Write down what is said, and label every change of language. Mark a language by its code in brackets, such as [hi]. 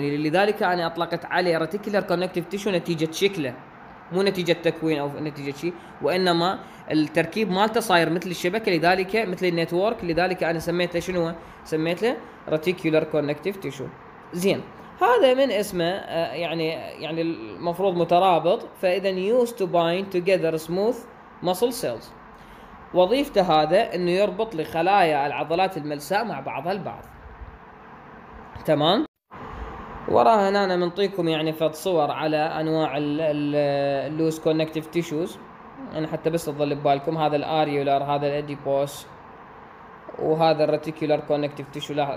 [ar] لذلك انا اطلقت عليه reticular connective tissue نتيجة شكله مو نتيجة تكوين او نتيجة شيء وانما التركيب مالته صاير مثل الشبكة لذلك مثل النتورك. لذلك انا سميته شنو؟ سميته reticular connective tissue. زين هذا من اسمه يعني المفروض مترابط. فاذا [en] used to bind together smooth muscle cells. [ar] وظيفته هذا انه يربط لخلايا العضلات الملساء مع بعضها البعض. تمام. وراها هنا انا منطيكم يعني فد صور على انواع اللوز كونكتيف تيشوز، انا حتى بس تظل ببالكم هذا الاريولار، هذا الاديبوس، وهذا الرتيكولار كونكتيف تيشو.